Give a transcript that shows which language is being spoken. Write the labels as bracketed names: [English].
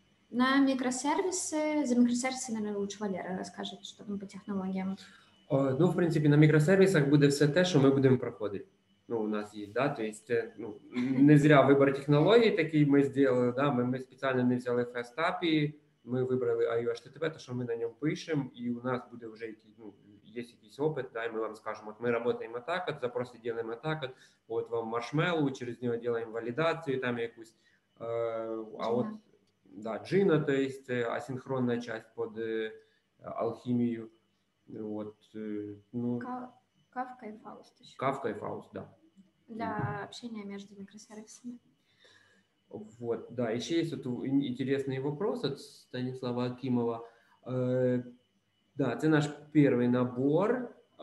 [Russian] На микросервисы, за микросервисы, наверное, лучше Валера расскажет, что там по технологиям. [Ukrainian] Ну, в принципі, на мікросервісах буде все те, що ми будемо проходити. Ну, у нас є, да, [Russian] то есть, [Ukrainian] ну, не зря вибор технологій такий ми зробили, да, ми спеціально не взяли FastAPI, ми вибрали IOHTTP, то що ми на ньому пишемо, і у нас буде вже якийсь, ну, є якийсь опит, да, і ми вам скажемо, от ми працюємо так, от запроси робимо так, от вам Marshmallow, через нього робимо валідацію там якусь, а от, да, Gina, то есть, асинхронна часть під алхімію. [Russian] Вот, ну, Kafka и Faust еще. Kafka и Faust, да. Для общения между микросервисами. Вот, да, еще есть вот интересный вопрос от Станислава Акимова. Да, это наш первый набор.